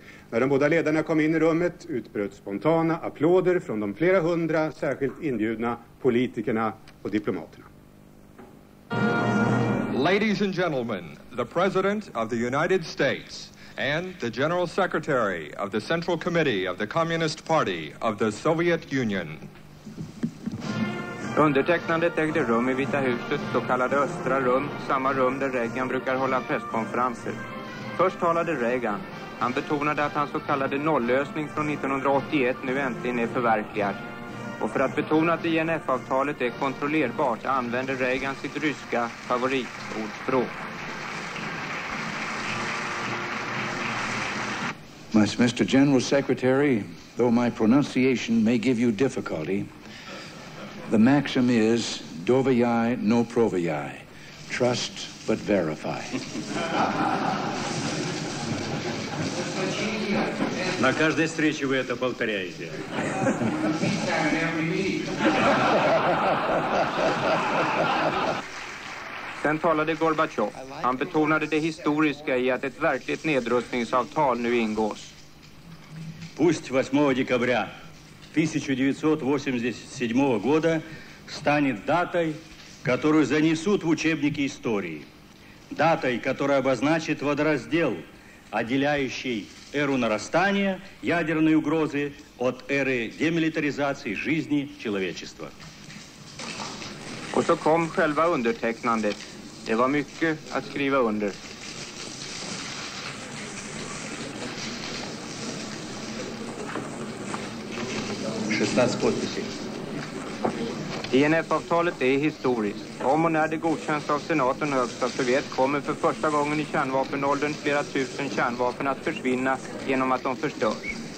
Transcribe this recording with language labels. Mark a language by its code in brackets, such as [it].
[sv] När de båda ledarna kom in i rummet utbröt spontana applåder från de flera hundra särskilt inbjudna politikerna och diplomaterna. [en] Ladies and gentlemen, the President of the United States and the General Secretary of the Central Committee of the Communist Party of the Soviet Union. [sv] Undertecknandet ägde rum i Vita huset, så kallade östra rum, samma rum där Reagan brukar hålla presskonferenser. Först talade Reagan. Han betonade att hans så kallade nolllösning från 1981 nu äntligen är förverkligad. Och för att betona att INF-avtalet är kontrollerbart använder Reagan sitt ryska favoritordspråk. [en] Mr. General Secretary, though my pronunciation may give you difficulty, the maxim is [ru] dovayai no provayai, [en] trust but verify. [ru] На каждой встрече вы это повторяете. [sv] Sen talade Gorbachev. Han betonade det historiska i att ett verkligt nedrustningsavtal nu ingås. [ru] Пусть 8 декабря 1987 года станет датой, которую занесут в учебники истории. Датой, которая обозначит водораздел, отделяющий эру нарастания ядерной угрозы от эры демилитаризации жизни человечества. [sv] Och så kom själva undertecknandet. Det var mycket att skriva under. INF-avtalet är historiskt. Om och när det godkänns av senaten och högsta sovjet kommer för första gången i kärnvapenåldern flera tusen kärnvapen att försvinna genom att de förstörs.